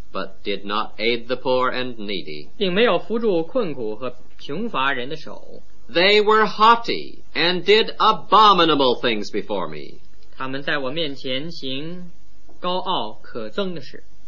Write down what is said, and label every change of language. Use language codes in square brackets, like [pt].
[en] but did not aid the poor and needy, [zh] 并没有扶助困苦和穷乏人的手。 [en] They were haughty and did abominable things before me, [zh] 他们在我面前行高傲可憎的事。